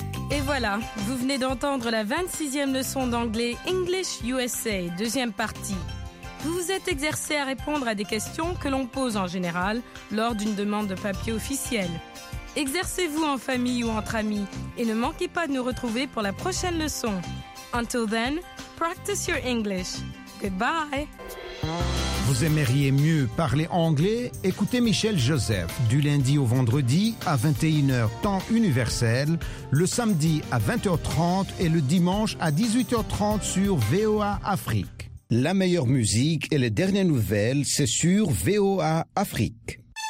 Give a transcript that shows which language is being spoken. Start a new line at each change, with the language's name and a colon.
French: Et voilà, vous venez d'entendre la 26e leçon d'anglais English USA, deuxième partie. Vous vous êtes exercé à répondre à des questions que l'on pose en général lors d'une demande de papier officiel. Exercez-vous en famille ou entre amis et ne manquez pas de nous retrouver pour la prochaine leçon.
English: Until then, practice your English. Goodbye!
French: Vous aimeriez mieux parler anglais? Écoutez Michel Joseph du lundi au vendredi à 21h temps universel, le samedi à 20h30 et le dimanche à 18h30 sur VOA Afrique. La meilleure musique et les dernières nouvelles, c'est sur VOA Afrique.